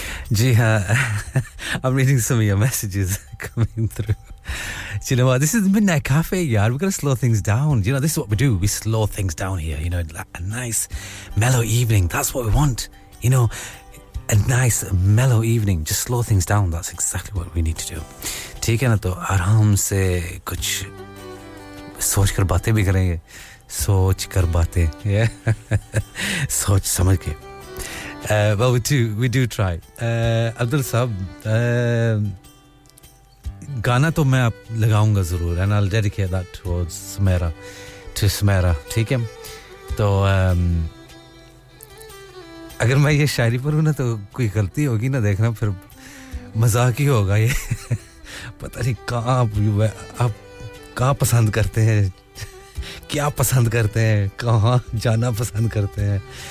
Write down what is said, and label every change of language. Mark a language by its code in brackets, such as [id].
[hi] जी हाँ, [en] I'm reading some of your messages coming through. Do you know what? This is Midnight Cafe, yeah. We're going to slow things down. You know, this is what we do. We slow things down here. You know, a nice, mellow evening. That's what we want. You know, a nice, mellow evening. Just slow things down. That's exactly what we need to do. [hi] ठीक है ना तो आराम से कुछ सोच कर बातें भी करेंगे. सोच कर बातें, yeah. सोच समझ के. [en] Well, we do try. Abdul Saab, [hi] गाना तो मैं लगाऊंगा जरूर, [en] and I'll dedicate that towards Samira, to Samira. [hi] ठीक है? तो अगर मैं ये शायरी पढ़ूँ ना तो कोई गलती होगी ना, देखना फिर मजाक ही होगा ये. पता नहीं आप कहाँ पसंद करते हैं, क्या पसंद करते हैं, कहाँ जाना पसंद करते हैं.